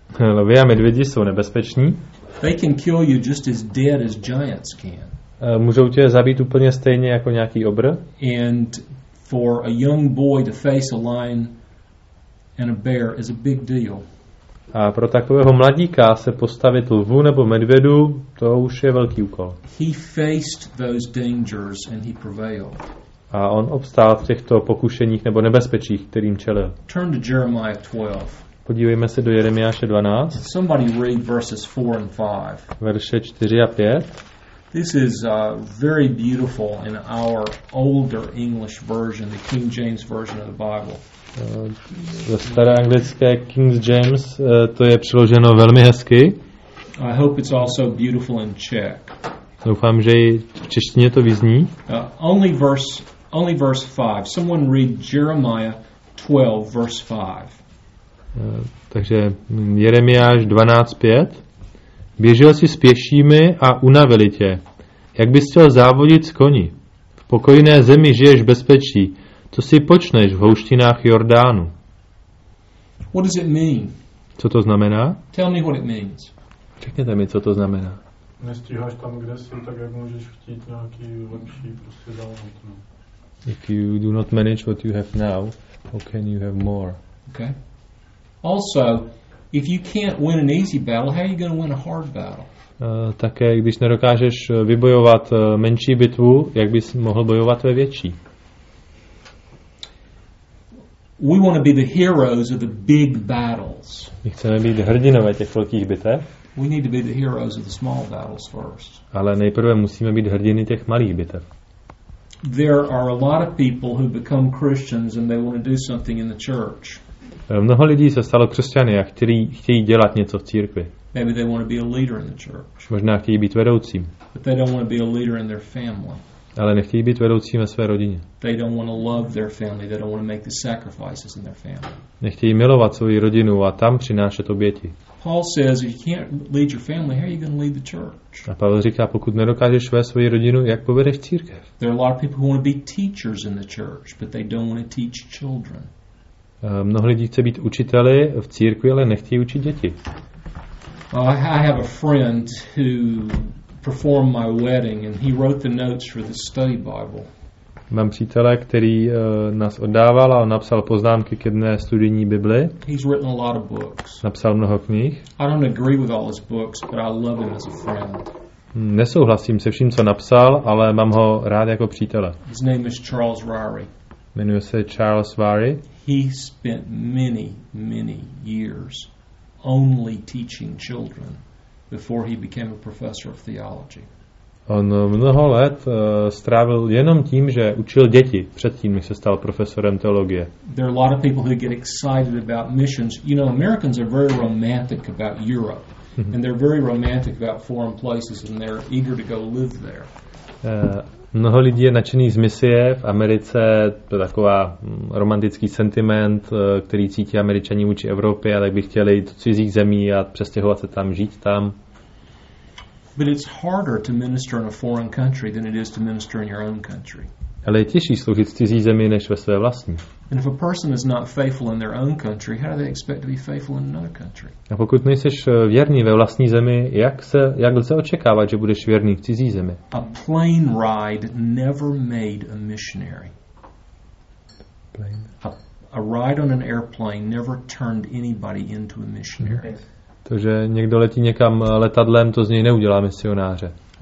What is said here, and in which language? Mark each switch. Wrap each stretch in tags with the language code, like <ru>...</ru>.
<cs>Lvi a medvědi jsou nebezpeční.</cs> <en>They can kill you just as dead as giants can.</en> <cs>Můžou tě zabít úplně stejně jako nějaký obr.</cs> <en>And for a young boy to face a lion and a bear is a big deal.</en> <cs>A pro takového mladíka se postavit lvu nebo medvědu, to už je velký úkol.</cs> <en>He faced those dangers and he prevailed.</en> <cs>A on obstál v těchto pokušeních nebo nebezpečích, kterým čelil.</cs> <en>Turn to Jeremiah 12.</en> <cs>Podívejme se do Jeremiáše 12.</cs> <en>Somebody read verses 4 and 5.</en> <cs>Verše 4 a 5.</cs> <en>This is very beautiful in our older English version, the King James version of the Bible.</en> <cs>Ve staré anglické King James to je přiloženo velmi hezky.</cs> <en>I hope it's also beautiful in Czech.</en> <cs>Doufám, že i v češtině to vyzní.</cs> <en>Only verse 5. Someone read Jeremiah 12 verse 5.</en> <cs>Takže Jeremiáš 12:5. Běžel jsi s pěšími a unavili tě. Jak bys chtěl závodit s koni? V pokojné zemi žiješ bezpečí. Co si počneš v houštinách Jordánu?</cs> <en>What does it mean?</en> <cs>Co to znamená?</cs> <en>Tell me what it means.</en> <cs>Řekněte mi, co to znamená. Nestíháš tam, kde jsi, tak jak můžeš chtít nějaký lepší prostě závod.</cs> <en>If you do not manage what you have now, how can you have more? Okay. Also, if you can't win an easy battle, how are you going to win a hard battle?</en> <cs>Také, když nedokážeš vybojovat menší bitvu, jak bys mohl bojovat ve větší?</cs> <en>We want to be the heroes of the big battles.</en> <cs>My chceme být hrdinové těch velkých bitev.</cs> <en>We need to be the heroes of the small battles first.</en> <cs>Ale nejprve musíme být hrdiny těch malých bitev.</cs> <en>There are a lot of people who become Christians and they want to do something in the church.</en> <cs>Mnoho lidí se stalo křesťany a chtějí dělat něco v církvi.</cs> <en>Maybe they want to be a leader in the church.</en> <cs>Možná chtějí být vedoucím.</cs> <en>But they don't want to be a leader in their family.</en> <cs>Ale nechtějí být vedoucím ve své rodině.</cs> <en>They don't want to love their family. They don't want to make the sacrifices in their family.</en> <cs>Nechtějí milovat svou rodinu a tam přinášet oběti.</cs> <en>Paul says, if you can't lead your family, how are you going to lead the church?</en> <cs>A Pavel říká, pokud nedokážeš vést svou rodinu, jak povedeš církev?</cs> <en>There are a lot of people who want to be teachers in the church, but they don't want to teach children.</en> <cs>Mnoho lidí chce být učiteli v církvi, ale nechtějí učit děti.</cs> <en>I have a friend who performed my wedding and he wrote the notes for the study Bible.</en> <cs>Mám přítele, který nás oddával a on napsal poznámky ke dne studijní Bibli.</cs> <en>He's written a lot of books.</en> <cs>Napsal mnoho knih.</cs> <en>I don't agree with all his books, but I love him as a friend.</en> <cs>Nesouhlasím se vším, co napsal, ale mám ho rád jako přítele.</cs> <en>His name is Charles Ryrie.</en> <cs>Jmenuje se Charles Ryrie.</cs> <en>He spent many, many years only teaching children before he became a professor of theology.</en> <cs>On mnoho let strávil jenom tím, že učil děti předtím, než se stal profesorem teologie.</cs> <en>There are a lot of people who get excited about missions. You know, Americans are very romantic about Europe, and they're very romantic about foreign places, and they're eager to go live there.</en> <cs>Mnoho lidí je nadšený z misie v Americe, to je taková romantický sentiment, který cítí Američani vůči Evropě, a tak by chtěli jít do cizích zemí a přestěhovat se tam, žít tam.</cs> <en>But it's harder to minister in a foreign country than it is to minister in your own country.</en> <cs>Ale je těžší sloužit v cizí zemi než ve své vlastní.</cs> <en>And if a person is not faithful in their own country, how do they expect to be faithful in another country?</en> <cs>A pokud nejseš věrný ve vlastní zemi, jak lze očekávat, že budeš věrný v cizí zemi?</cs> <en>A plane ride never made a missionary. A ride on an airplane never turned anybody into a missionary.</en> <cs>To, že někdo letí někam letadlem, to z něj neudělá misionáře.</cs>